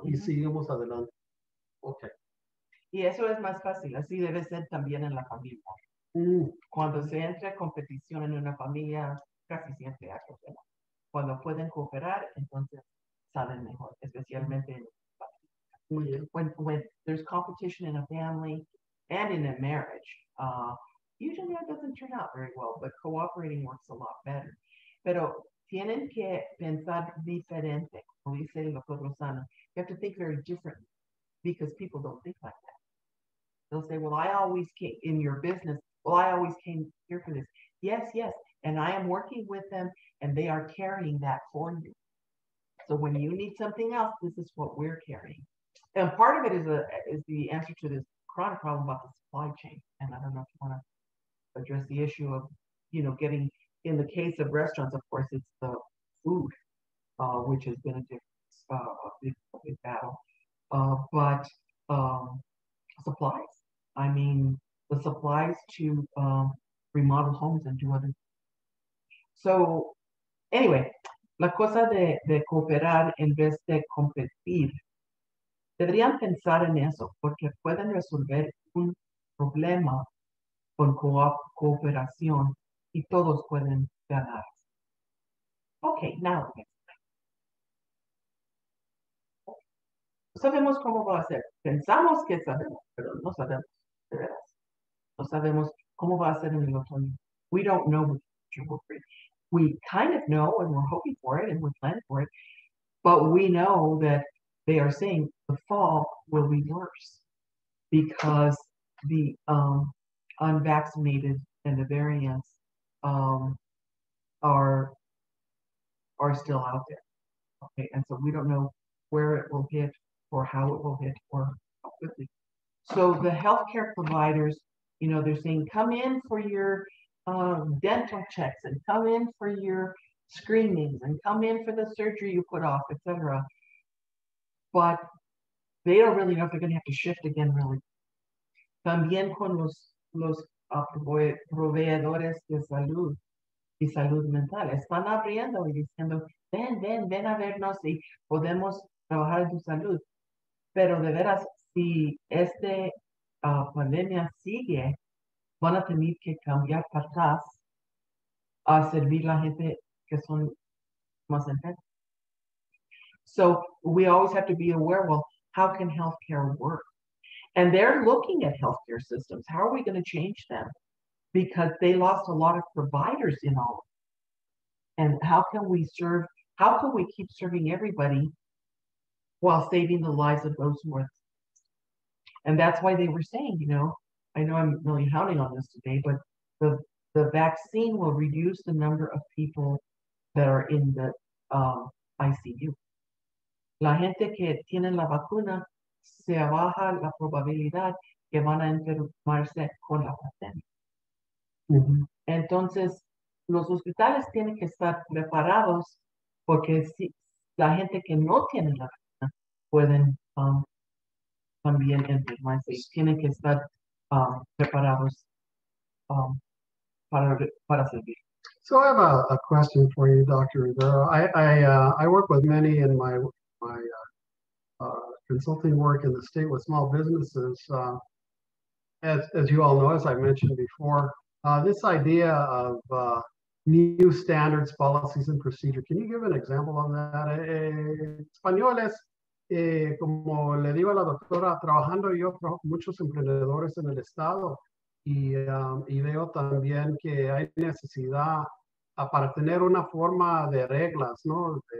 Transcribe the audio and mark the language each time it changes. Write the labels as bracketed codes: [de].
[es] Y seguimos adelante. Ok. Y eso es más fácil, así debe ser también en la familia. Cuando se entra en competición en una familia, casi siempre hay problemas. Cuando pueden cooperar, entonces salen mejor, especialmente en la familia. Muy bien. [en] When there's competition in a family and in a marriage, usually that doesn't turn out very well, but cooperating works a lot better. [es] Pero tienen que pensar diferente, como dice el doctor Lozano. [en] You have to think very differently because people don't think like that. They'll say, well, I always came in your business. Well, I always came here for this. Yes, yes. And I am working with them and they are carrying that for you. So when you need something else, this is what we're carrying. And part of it is the answer to this chronic problem about the supply chain. And I don't know if you want to address the issue of, you know, getting, in the case of restaurants, of course, it's the food, which has been a big battle. Supplies. I mean, the supplies to remodel homes and do other things. So anyway, [es] la cosa de cooperar en vez de competir, deberían pensar en eso porque pueden resolver un problema con cooperación y todos pueden ganar. [en] Okay, now. [es] Sabemos cómo va a ser. Pensamos que sabemos, pero no sabemos. De veras. No sabemos cómo va a ser en el otoño. [en] We don't know what the future will bring. We kind of know and we're hoping for it and we're planning for it, but we know that they are saying the fall will be worse because the unvaccinated and the variants are still out there. Okay, and so we don't know where it will hit or how it will hit or how quickly. So the healthcare providers, you know, they're saying, come in for your dental checks and come in for your screenings and come in for the surgery you put off, etc. But they don't really know if they're going to have to shift again, really. [es] También con los proveedores de salud y salud mental. Están abriendo y diciendo, ven, ven, ven a vernos si podemos trabajar en tu salud. Pero de veras, si esta pandemia sigue, van a tener que cambiar cartas a servir la gente que son más enfermos. [en] So we always have to be aware, well, how can healthcare work? And they're looking at healthcare systems. How are we going to change them? Because they lost a lot of providers in all of them. And how can we serve, how can we keep serving everybody while saving the lives of those who are. And that's why they were saying, you know, I know I'm really hounding on this today, but the vaccine will reduce the number of people that are in the ICU. [es] La gente que tiene la vacuna se baja la probabilidad que van a enfermarse con la pandemia. Entonces, los hospitales tienen que estar preparados porque si la gente que no tiene la vacuna pueden también enfermarse. Tienen que estar preparados para servir. [en] So I have a question for you, Dr. Rivera. I work with many in my consulting work in the state with small businesses. As you all know, as I mentioned before, this idea of new standards, policies, and procedure. Can you give an example of that? [es] Españoles, como le digo a la doctora, trabajando yo con muchos emprendedores en el estado, y veo también que hay necesidad para tener una forma de reglas, ¿no?